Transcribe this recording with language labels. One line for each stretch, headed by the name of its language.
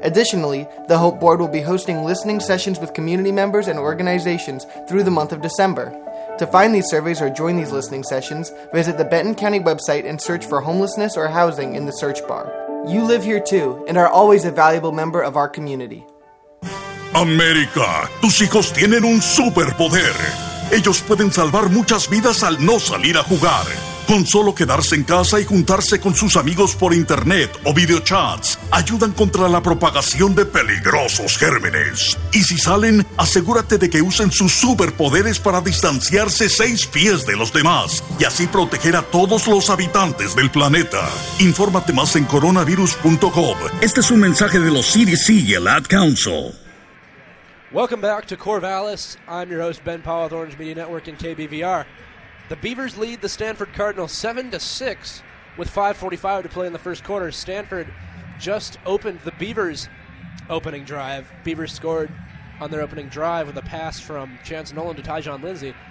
English: Additionally, the HOPE Board will be hosting listening sessions with community members and organizations through the month of December. To find these surveys or join these listening sessions, visit the Benton County website and search for homelessness or housing in the search bar. You live here too, and are always a valuable member of our community.
Spanish: América, tus hijos tienen un superpoder. Ellos pueden salvar muchas vidas al no salir a jugar. Con solo quedarse en casa y juntarse con sus amigos por internet o videochats, ayudan contra la propagación de peligrosos gérmenes. Y si salen, asegúrate de que usen sus superpoderes para distanciarse 6 pies de los demás y así proteger a todos los habitantes del planeta. Infórmate más en coronavirus.gov. Este es un mensaje de los CDC y el Ad Council.
English: Welcome back to Corvallis. I'm your host, Ben Pahl, with Orange Media Network and KBVR. The Beavers lead the Stanford Cardinals 7-6 with 5:45 to play in the first quarter. Stanford just opened the Beavers' opening drive. Beavers scored on their opening drive with a pass from Chance Nolan to Tyjon Lindsey.